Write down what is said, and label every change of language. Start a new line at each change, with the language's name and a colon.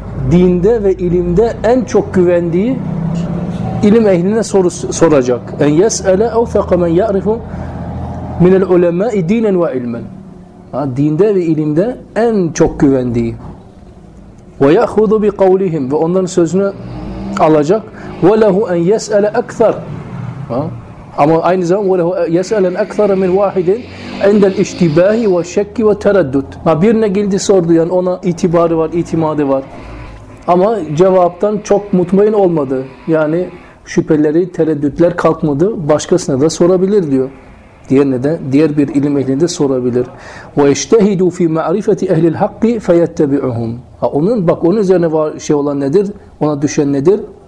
Turkish: Dinde ve ilimde en çok güvendiği ilim ehline soracak.
Arabic: En yes'ele evseqe men ya'rifu minel ulema'i dinen ve ilmen.
Turkish: Dinde ve ilimde en çok güvendiği.
Arabic: وَيَأْخُذُ بِقَوْلِهِمْ
Turkish: ve onların sözünü alacak.
Arabic: وَلَهُ أَنْ يَسْأَلَ أَكْثَرَ
Turkish: ama aynı zamanda
Arabic: وَلَهُ يَسْأَلَ أَكْثَرَ مِنْ وَاحِدٍ عِنْدَ الْاِشْتِبَاهِ وَشَكِّ وَتَرَدُّدٍ
Turkish: birine geldi sordu yani ona itibarı var, itimadı var. Ama cevaptan çok mutmain olmadı. Yani şüpheleri, tereddütler kalkmadı. Başkasına da sorabilir diyor. Diğerine de, diğer bir ilim ehlinde sorabilir.
Arabic: وَيَشْتَهِدُوا فِي مَعْرِفَةِ اَهْلِ الْحَقِّ فَيَتَّبِعُهُمْ
Turkish: onun, bak onun üzerine şey olan nedir? Ona düşen nedir?